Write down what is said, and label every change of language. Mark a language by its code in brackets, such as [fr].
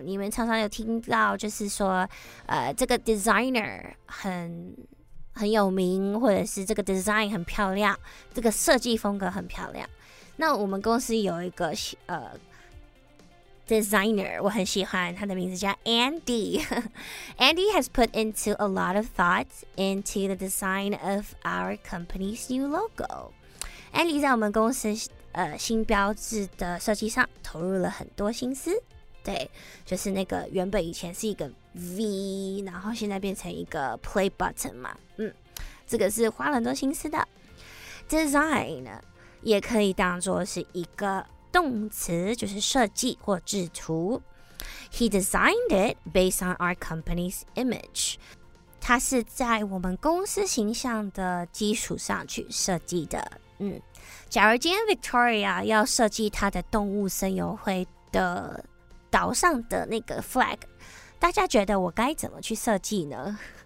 [zh] 你们常常有听到，就是说，这个 designer 很有名，或者是这个 design 很漂亮，这个设计风格很漂亮。那我们公司有一个designer 我很喜欢，他的名字叫 Andy. [en] Andy has put into a lot of thought into the design of our company's new logo. [zh] Andy 在我们公司新标志的设计上投入了很多心思。对，就是那个原本以前是一个 V， 然后现在变成一个 play button 嘛。这个是花了很多心思的。 Design 也可以当作是一个动词，就是设计或制图。 [en] He designed it based on our company's image. [zh] 它是在我们公司形象的基础上去设计的。假如今天 Victoria 要设计她的动物森友会的岛上的那个 flag， 大家觉得我该怎么去设计呢？